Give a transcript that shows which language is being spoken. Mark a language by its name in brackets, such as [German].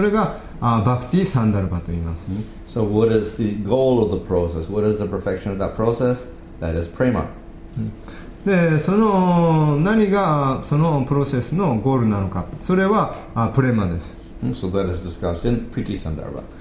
[Japanese] それがバクティサンダルバと言います。 [English] So what is the goal of the process? What is the perfection of that process? That is prema. [Japanese] で、その何がそのプロセスのゴールなのか、それはプレマです。 [English] So that is discussed in Priti Sandarbha.